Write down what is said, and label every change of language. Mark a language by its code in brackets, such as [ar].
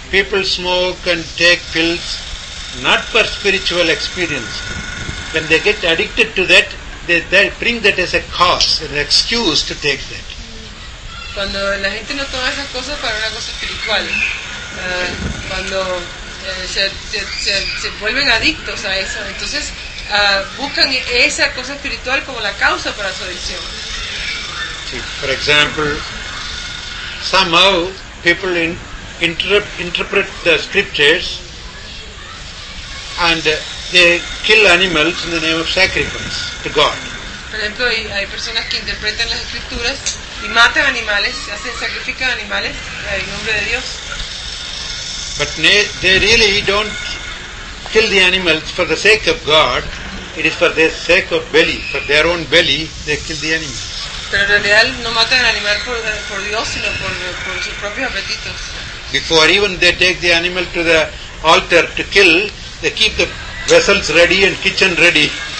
[en] People smoke and take pills not for spiritual experience. When they get addicted to that, they bring that as a cause, an excuse to take that. [es] Cuando la gente no toma esas cosas para una cosa espiritual, cuando se vuelven adictos a eso, entonces buscan esa cosa espiritual como la causa para su adicción. Sí, [en] for example. Somehow people interpret the scriptures and they kill animals in the name of sacrifice to God. [es] Por ejemplo, hay personas que interpretan las escrituras y matan animales, hacen sacrificios de animales en nombre de Dios. [en] But they really don't kill the animals for the sake of God, it is for their sake of belly, for their own belly, they kill the enemy. [es] Pero en realidad no matan al animal por Dios, sino por sus propios apetitos. [en] Before even they take the animal to the altar to kill, they keep the vessels ready and kitchen ready.